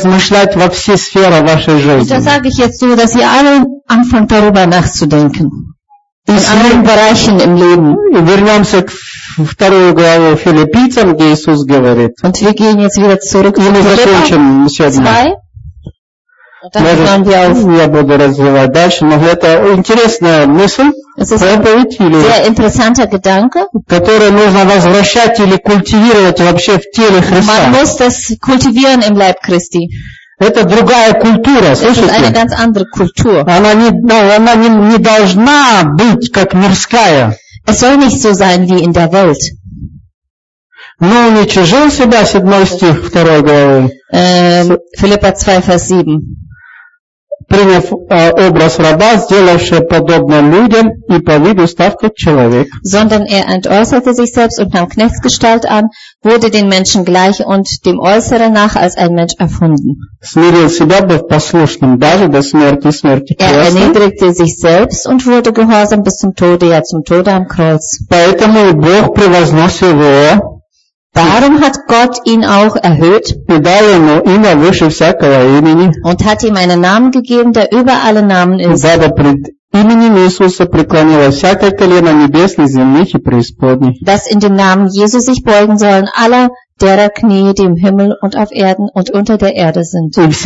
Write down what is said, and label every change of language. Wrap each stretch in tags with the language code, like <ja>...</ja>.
<de>Da sage ich jetzt so, dass ihr alle anfangt darüber nachzudenken. In allen Bereichen im Leben. Und wir gehen jetzt wieder zurück zu Philipper 2.</de> <ru>Я буду развивать дальше, но это интересная мысль, которую нужно возвращать или культивировать вообще в теле Христа.</ru> <de>Man muss das kultivieren im Leib Christi.</de> <ru>Это другая культура, слышите?</ru> <de>Eine ganz andere Kultur.</de> <ru>Она не должна быть как мирская.</ru> <de>Es soll nicht so sein wie in der Welt.</de> <ru>Но уничижил себя, 7 стих, 2 главы. Филиппа 2, vers 7. Приняв образ раба, сделавший подобно людям и по виду став как человек.</ru> <de>Sondern er entäußerte sich selbst und nahm Knechtsgestalt an, wurde den Menschen gleich und dem Äußeren nach als ein Mensch erfunden.</de> <ru>Смирил себя, быв послушным даже до смерти, смерти креста.</ru> <de>Er erniedrigte sich selbst und wurde gehorsam bis zum Tode, ja zum Tode am Kreuz.</de> <ru>Поэтому Бог превознес его.</ru> <de>Darum hat Gott ihn auch erhöht und hat ihm einen Namen gegeben, der über alle Namen ist, dass in dem Namen Jesu sich beugen sollen alle derer Knie, die im Himmel und auf Erden und unter der Erde sind.</de>